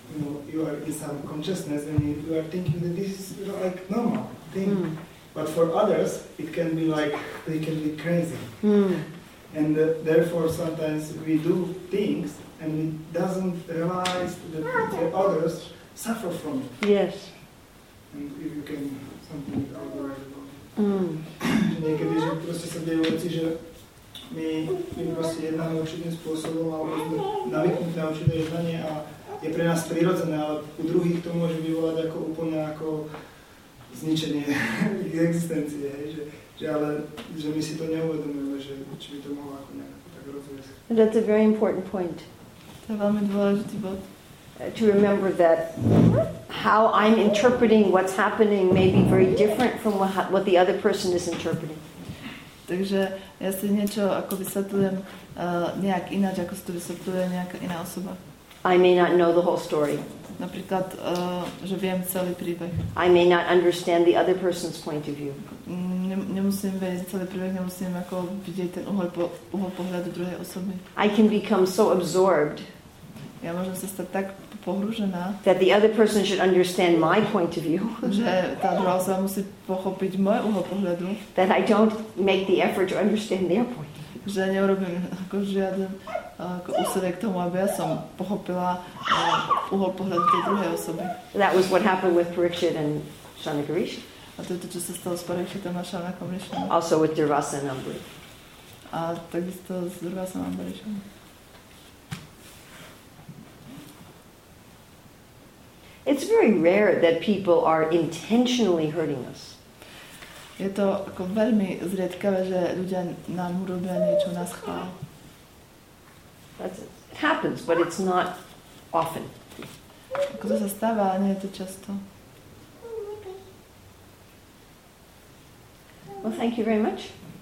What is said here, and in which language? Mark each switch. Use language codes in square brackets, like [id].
[en] You know, you are in some consciousness and you are thinking that this is, you know, like normal thing. Mm. But for others, it can be like, they can be crazy. Mm. And therefore, sometimes we do things and we doesn't realize that the others suffer from it. Yes. And if you can, something otherwise. [sk] Niekedy, že proste sa dejú veci, že my proste jednáme určitým spôsobom alebo sme navyknuté na určité jednanie a je pre nás prirodzené, ale u druhých to môže vyvolať ako úplne ako zničenie ich existencie, že ale že my si to neuvedomujeme, že či by to mohlo ako nejak tak rozviesť. [en] That's a very important point. [sk] To je veľmi dôležitý bod. [en] To remember that how I'm interpreting what's happening may be very different from what the other person is interpreting. [sk] Takže ja si niečo ako vysvetľujem nejak ináč, ako si to vysvetľuje nejaká iná osoba. [en] I may not know the whole story. [sk] Napríklad, že viem celý príbeh. [en] I may not understand the other person's point of view. [sk] Nemusím vedieť celý príbeh, nemusím ako vidieť ten uhol pohľadu druhej osoby. [en] I can become so absorbed. [sk] Ja môžem sa stať tak pohrúžená, [en] that the other person should understand my point of view. [sk] Že tá druhá osoba musí pochopiť môj uhol pohľadu. [en] That I don't make the effort to understand their point. [sk] Že neurobím ako žiaden ako úsilie k tomu, aby ja som pochopila uhol pohľadu tej druhej osoby. [en] That was what happened with Parikshit and Shanagarish. [sk] A to je to, čo sa stalo s Parikshitom a Shanagarishom. [en] Also with Durvasa and Ambarish. [sk] A takisto s Durvasa a Ambarishom. [en] It's very rare that people are intentionally hurting us. [sk] Je to ako veľmi zriedkavé, že ľudia nám urobia niečo na schvál. [en] It happens, but it's not often. [sk] Ako to sa stáva, ale nie je to často. [en] Well, thank you very much.